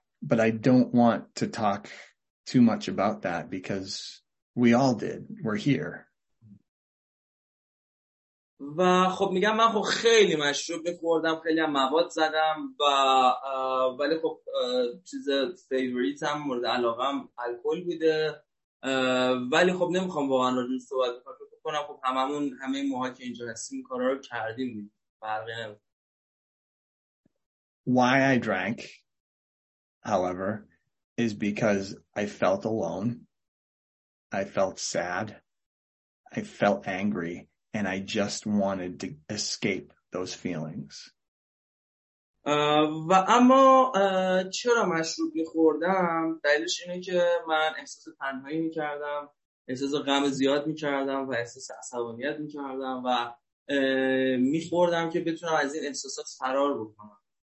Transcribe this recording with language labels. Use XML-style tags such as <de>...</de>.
<en>But I don't want to talk too much about that because we all did. We're here.</en> <fa>و خب میگم من خب خیلی مشروب میخوردم خیلی هم مواد زدم و ولی خب چیز فیوریتم مورد علاقم الکل بوده ولی خب نمیخوام واقعا راجع به صحبت کنم. خب هممون همه موها که اینجا هستیم کارا رو کردیم فرقی نمیکنه.</fa> <en>Why I drank however is because I felt alone, I felt sad, I felt angry. And I just wanted to escape those feelings.</en> <fa>But چرا مشروب می‌خوردم؟ دلیلش اینه که من احساس تنهایی می‌کردم، احساس غم زیاد می‌کردم و احساس عصبانیت می‌کردم و میخوردم که بتونم از این احساسات فرار بکنم.</fa>